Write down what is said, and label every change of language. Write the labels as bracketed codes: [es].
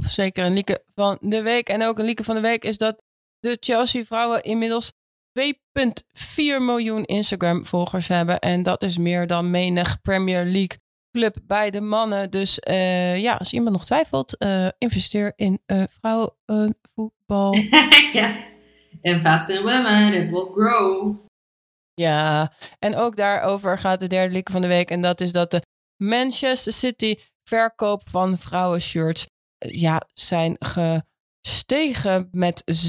[nl] Zeker een Lieke van de Week. En ook een Lieke van de Week is dat de Chelsea vrouwen inmiddels 2,4 miljoen Instagram volgers hebben. En dat is meer dan menig Premier League club bij de mannen. Dus als iemand nog twijfelt, investeer in vrouwenvoetbal. [en] Yes. Invest in women, it will grow. [nl] Ja, en ook daarover gaat de derde Lieke van de Week. En dat is dat de Manchester City verkoop van vrouwenshirts zijn gestegen met 600%.